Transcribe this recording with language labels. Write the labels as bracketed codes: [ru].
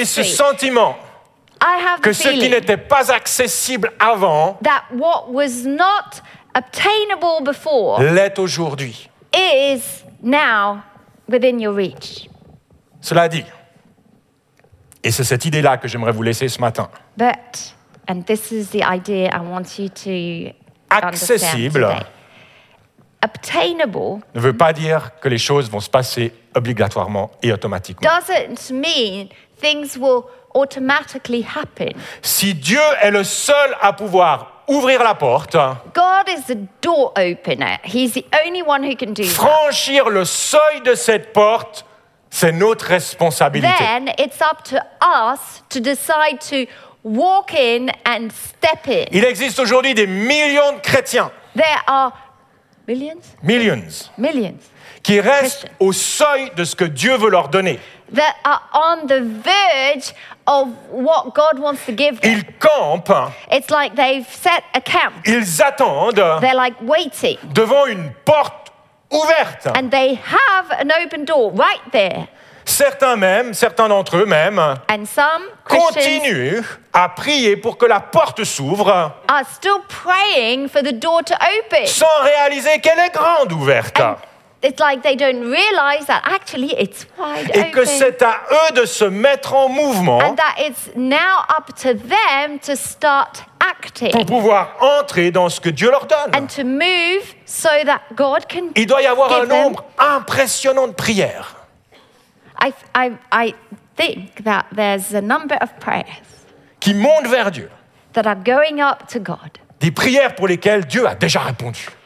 [fr] J'ai ce sentiment. [en] I have [fr] que [en] the feeling [fr] ce qui n'était pas accessible avant. [en] That what was not obtainable before [fr] l'est aujourd'hui. [en] Is now within your reach. [fr] Cela dit, et c'est cette idée-là que j'aimerais vous laisser ce matin. [en] But, and this is the idea I want you to [fr] accessible [en] understand today. Obtainable [fr] ne veut pas dire que les choses vont se passer obligatoirement et automatiquement. [en] Doesn't mean things will automatically happen. [fr] Si Dieu est le seul à pouvoir ouvrir la porte, [en] God is the door opener. He's the only one who can do that. [fr] Franchir le seuil de cette porte, c'est notre responsabilité. [en] Then it's up to us to decide to walk in and step in. [fr] Il existe aujourd'hui des millions de chrétiens. [en] There are millions. Millions. Millions. [fr] Qui restent au seuil de ce que Dieu veut leur donner. [en] That are on the verge of what God wants to give them. [fr] Ils campent. [en] It's like they've set a camp. [fr] Ils attendent. [en] They're like waiting. [fr] Devant une porte ouverte. [en] And they have an open door right there. [fr] Certains même, certains d'entre eux même, [en] and some [fr] continuent à prier pour que la porte s'ouvre, [en] are still praying for the door to open. [fr] Sans réaliser qu'elle est grande ouverte. [en] And it's like they don't realize that actually it's wide [fr] et [en] open. [fr] Et que c'est à eux de se mettre en mouvement. [en] And that it's now up to them to start acting. [fr] Pour pouvoir entrer dans ce que Dieu leur donne. [en] And to move so that God can. [fr] Il doit y avoir un nombre impressionnant de prières. [en] I think that there's a number of prayers [fr] qui montent vers Dieu. [en] That are going up to God. [fr] Des prières pour lesquelles Dieu a déjà répondu.